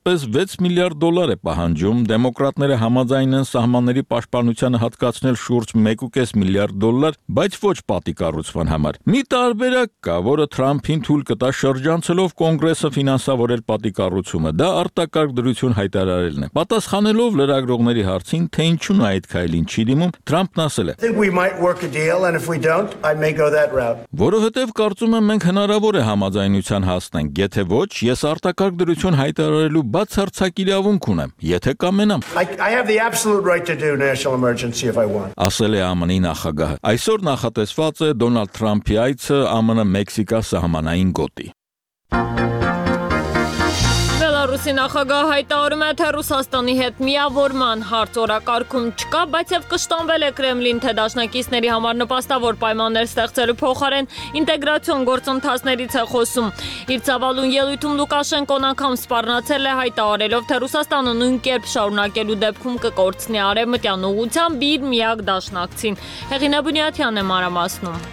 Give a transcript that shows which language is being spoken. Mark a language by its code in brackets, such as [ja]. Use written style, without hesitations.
[hy] պես 6 միլիարդ դոլար է պահանջում, դեմոկրատները համաձայն են սահմանների պաշտպանությանը հատկացնել շուրջ 1.5 միլիարդ դոլար, բայց ոչ պատի կառուցման համար։ Մի տարբերակ կա, որը Թրամփին թույլ կտա շրջանցելով կոնգրեսը ֆինանսավորել պատի կառուցումը, դա արտակարգ դրություն հայտարարելն է։ Պատասխանելով լրագրողների հարցին, թե ինչու նա այդ քայլին չի դիմում, Թրամփն ասել է. Որովհետև կարծում եմ, մենք հնարավոր է համաձայնության հասնենք, եթե ոչ, ես արտակարգ դրություն հայտարարել լու բացարձակ իրավունք ունեմ, եթե կամենամ։ [en] I have the absolute right to do national emergency if I want. [hy] Ասել է ԱՄՆ-ի նախագահը։ Այսօր նախատեսված է Դոնալդ Թրամփի այցը ԱՄՆ-Մեքսիկա սահմանային գոտի։ Մասի նախագահը հայտարարում է, թե Ռուսաստանի հետ միավորման հարց օրակարգում չկա, բայց եւ կշտանվել է Կրեմլին, թե դաշնակիցների համար նպաստավոր պայմաններ ստեղծելու փոխարեն ինտեգրացիոն գործընթացներից է խոսում։ Իր ցավալուն ելույթում Լուկաշենկոն անգամ սպառնացել է, հայտարարելով, թե Ռուսաստանը նույն կերպ շարունակելու դեպքում կկորցնի արևմտյան ուղությամբ իր միակ դաշնակցին։ Հեղինե Բունյատյան է մարամասնում։